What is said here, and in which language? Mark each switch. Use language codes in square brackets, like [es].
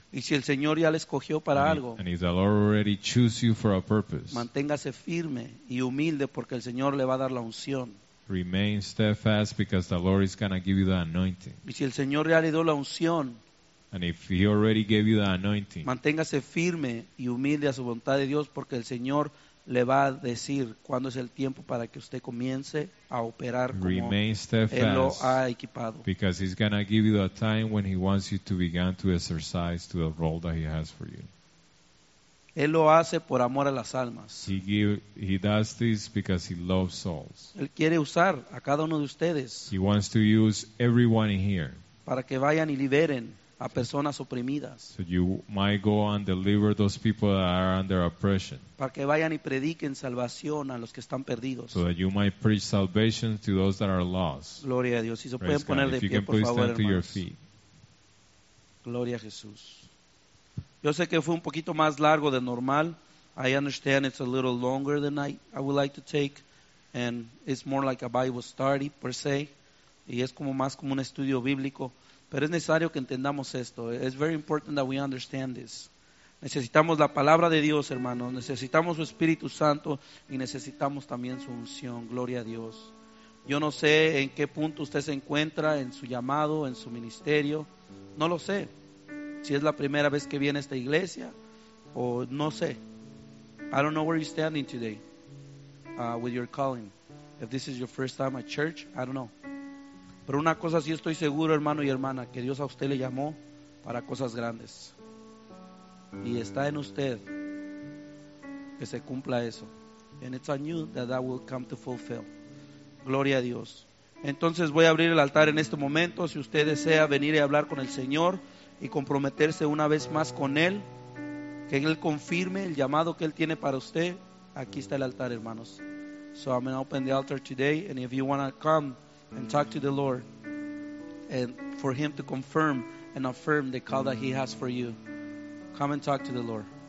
[es] Y si el Señor ya le escogió para algo. [en] And if the Lord already choose you for a purpose. [es] Manténgase firme y humilde porque el Señor le va a dar la unción. [en] Remain steadfast because the Lord is going to give you the anointing. [es] Y si el Señor ya le dio la unción. [en] And if he already gave you the anointing. [es] Manténgase firme y humilde a su voluntad de Dios porque el Señor le va a decir cuándo es el tiempo para que usted comience a operar como él lo ha equipado. [en] Because he's going to give you the time when he wants you to begin to exercise to the role that he has for you. [es] Él lo hace por amor a las almas. [en] He does this because he loves souls. [es] Él quiere usar a cada uno de ustedes. [en] He wants to use everyone here. [es] Para que vayan y liberen a personas oprimidas. [en] So you might go and deliver those people that are under oppression. [es] Para que vayan y prediquen salvación a los que están perdidos. [en] So that you might preach salvation to those that are lost. [es] Gloria a Dios. Si se pueden poner de pie, por favor, hermanos. Gloria a Jesús. Yo sé que fue un poquito más largo de normal. [en] I understand it's a little longer than I would like to take. And it's more like a Bible study, per se. [es] Y es como más como un estudio bíblico. Pero es necesario que entendamos esto. [en] It's very important that we understand this. [es] Necesitamos la palabra de Dios, hermanos. Necesitamos su Espíritu Santo. Y necesitamos también su unción. Gloria a Dios. Yo no sé en qué punto usted se encuentra en su llamado, en su ministerio. No lo sé. Si es la primera vez que viene a esta iglesia. O no sé. [en] I don't know where you're standing today. With your calling. If this is your first time at church, I don't know. [es] Pero una cosa sí estoy seguro, hermano y hermana, que Dios a usted le llamó para cosas grandes. Y está en usted que se cumpla eso. [en] And it's on you that that will come to fulfill. [es] Gloria a Dios. Entonces voy a abrir el altar en este momento. Si usted desea venir y hablar con el Señor y comprometerse una vez más con Él, que Él confirme el llamado que Él tiene para usted, aquí está el altar, hermanos. [en] So I'm going to open the altar today, and if you want to come and talk to the Lord and for him to confirm and affirm the call that he has for you, come and talk to the Lord.